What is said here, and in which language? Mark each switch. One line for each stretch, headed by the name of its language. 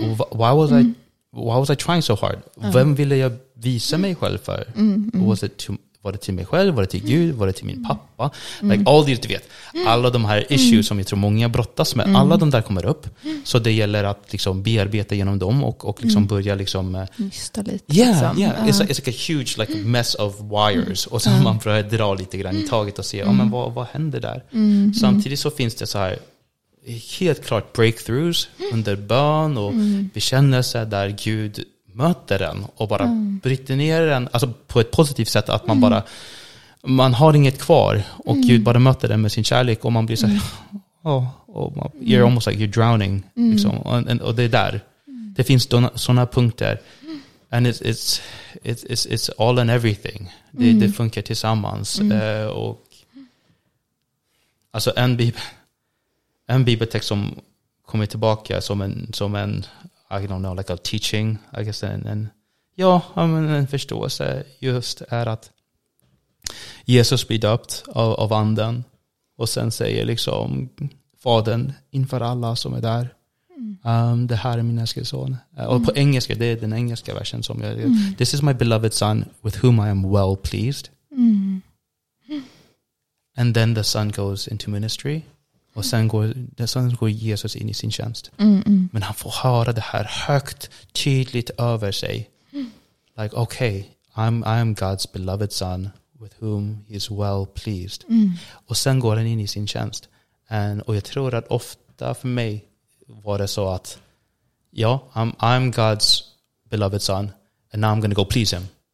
English: Why was I trying so hard?
Swedish: Vem ville jag visa mig själv för? Var det till mig själv? Var det till Gud? Var det till min pappa?
English: Like all these,
Swedish: du vet, alla de här issues som jag tror många brottas med, alla de där kommer upp. Så det gäller att liksom bearbeta genom dem och liksom börja liksom nysta lite.
English: It's like a huge like mess of wires.
Swedish: Och sen man börjar dra lite grann i taget och se, ja, men vad händer där? Samtidigt så finns det så här helt klart breakthroughs under bön och bekännelse där Gud möter den och bara bryter ner den, alltså på ett positivt sätt, att man bara, man har inget kvar och Gud bara möter den med sin kärlek och man blir så här,
English: you're almost like you're drowning
Swedish: liksom. och det är där det finns såna punkter,
English: and it's all and everything,
Swedish: det funkar tillsammans. Och alltså en bibeltext som kommer tillbaka som en
English: I don't know, like a teaching, I guess,
Swedish: en förståelse just är att Jesus blir döpt av anden och sen säger liksom fadern inför alla som är där, det här är min älskade son. Och på engelska, det är den engelska versen som jag gör.
English: This is my beloved son with whom I am well pleased. And then the son goes into ministry.
Swedish: Och sen går Jesus in i sin tjänst. Men han får höra det här högt, tydligt över sig.
English: Like, okay, I'm God's beloved son with whom he is well pleased.
Swedish: Och sen går han in i sin tjänst. Och jag tror att ofta för mig var det så att
English: I'm God's beloved son and now I'm going to go please him.